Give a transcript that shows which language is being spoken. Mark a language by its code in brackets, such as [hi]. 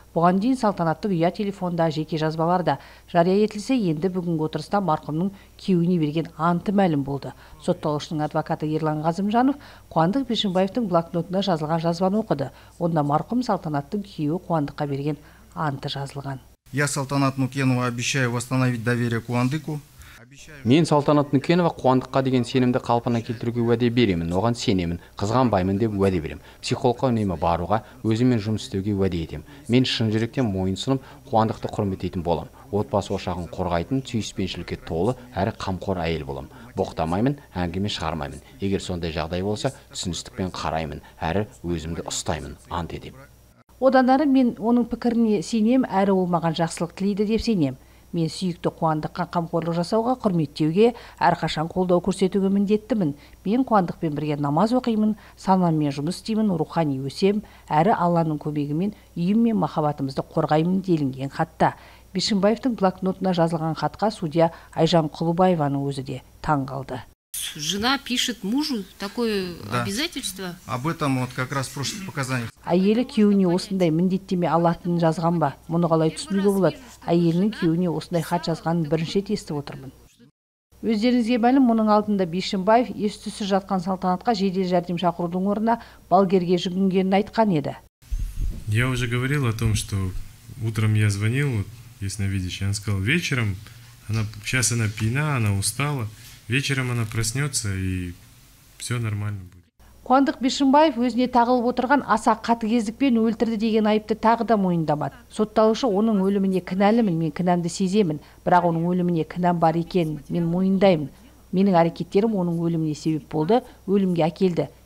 [kk] Бұған дейін Салтанатты ұя телефонда жеке жазбаларда жария етілсе, енді бүгінгі отырыста марқұмның күйеуіне берген анты мәлім болды. Сотталушының адвокаты Ерлан Қазымжанов Қуандық Бишімбаевтың блокнотына жазылған жазбаны оқыды. Онда марқұм Салтанаттың күйеуі Қуандыққа берген анты жазылған. [ru] Я Салтанат Нукенова обещаю восстановить доверие Қуандыку. [kk] Мен Салтанат Нүкенова Қуандыққа деген сенімді қалпына келтіруге уәде беремін, оған сенемін, қызғанбаймын деп уәде беремін. Психологқа үнемі баруға, өзіммен жұмыс істеуге уәде етемін. Мен шын жүректен мойынсынып Қуандықты құрметтейтін болам. Отбасы ошағын қорғайтын түйіспеншілікке толы әрі қамқор әйел болам. Боқтамаймын, әңгіме шығармаймын. Егер сондай жағдай болса, түсіністікпен қараймын, әрі өзімді ұстаймын, ант етемін. Одандары мен оның пікіріне сенемін, әрі ол маған жақсылық тілейді деп сенемін. Мен сүйікті Қуандыққа қамқорлық жасауға, құрметтеуге, әрқашан қолдау көрсетуге міндеттімін. Мен Қуандықпен бірге намаз оқимын, санаммен жұмыс істеймін, рухани өсем, әрі Алланың көмегімен үйім мен махаббатымызды қорғаймын делінген хатта. Бишімбаевтың блокнотына жазылған хатқа судья Айжан Құлыбаеваның өзі де таң қалды. [ru] Жена пишет мужу такое обязательство? Об этом вот как раз просит показаний. [kk] Әйелі күйеуіне осындай міндеттеме алатынын жазған ба? Мұны қалай түсінуге болады? Әйелінің күйеуіне осындай хат жазғанын бірінші рет естіп отырмын. Өздеріңізге мәлім, мұның алдында Бишімбаев ес-түссіз жатқан Салтанатқа жедел жәрдем шақырудың орнына балгерге жүгінгенін айтқан еді. [ru] Я уже говорил о том, что утром я звонил ясновидящей, она сказала вечером, она сейчас она пьяна, она устала, вечером она проснется и все нормально будет. [kk] Қуандық Бишімбаев өзіне тағылып отырған аса қатыгездікпен өлтірді деген айыпты тағы да мойындамады. Сотталушы оның өліміне кінәлімін, мен кінәмді сеземін, бірақ оның өліміне кінәм бар екен, мен мойындаймын. Менің әрекеттерім оның өліміне себеп болды, өлімге әкелді.